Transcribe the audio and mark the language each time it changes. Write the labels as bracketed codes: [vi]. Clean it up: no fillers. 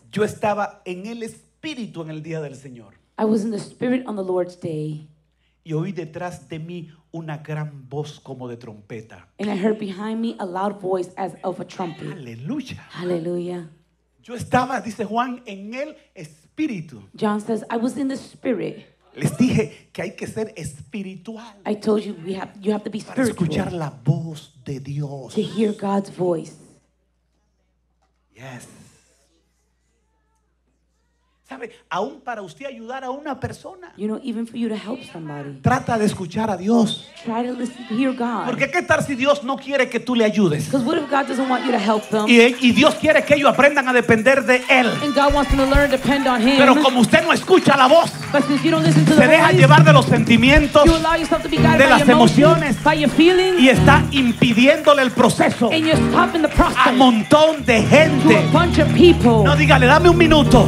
[es] Yo estaba en el espíritu en el día del Señor. [en] I was in the spirit on the Lord's day. [es] Y oí detrás de mí una gran voz como de trompeta. [en] And I heard behind me a loud voice as of a trumpet. [es] Aleluya. Aleluya. Yo estaba, dice Juan, en el espíritu. [en] John says, I was in the spirit. [es] Les dije que hay que ser espiritual. [en] I told you you have to be spiritual. [es] Para escuchar la voz de Dios. [en] To hear God's voice. Yes. [es] ¿Sabe? Aún para usted ayudar a una persona. [en] You know, even for you to help somebody. [es] Trata de escuchar a Dios. [en] Try to listen to hear God. [es] Porque qué tal si Dios no quiere que tú le ayudes. [en] Because what if God doesn't want you to help them? [es] Y Dios quiere que ellos aprendan a depender de Él. [en] And God wants them to learn to depend on Him. [es] Pero como usted no escucha la voz. [en] But since you don't listen to the [es] se [en] voice. [es] Se deja llevar de los sentimientos. [en] You allow yourself to be guided [es] de las [en] by your [es] emociones. [en] By your feelings. [es] Y está impidiéndole el proceso. [en] And you're stopping the process. [es] A montón de gente. [en] To a bunch of people. [es] No, dígale, dame un minuto.